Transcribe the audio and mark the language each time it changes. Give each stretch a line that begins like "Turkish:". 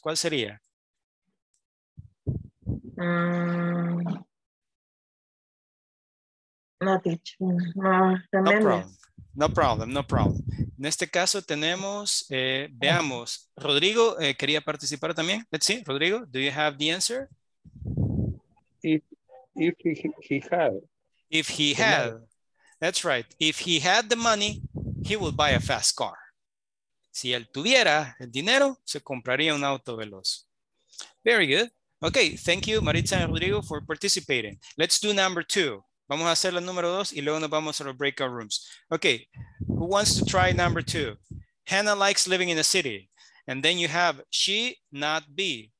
Spanish: ¿Cuál sería?
English: No problem.
Spanish: En este caso tenemos, veamos, Rodrigo quería participar también.
English: Let's see, Rodrigo, do you have the answer? If he had. That's right. If he had the money, he would buy a fast car.
Spanish: Si él tuviera el dinero, se compraría un auto veloz.
English: Very good. Okay, thank you, Maritza and Rodrigo, for participating. Let's do number two.
Spanish: Vamos a hacer la número dos y luego nos vamos a los breakout rooms.
English: Okay, who wants to try number two? Hannah likes living in a city. And then you have she, not be.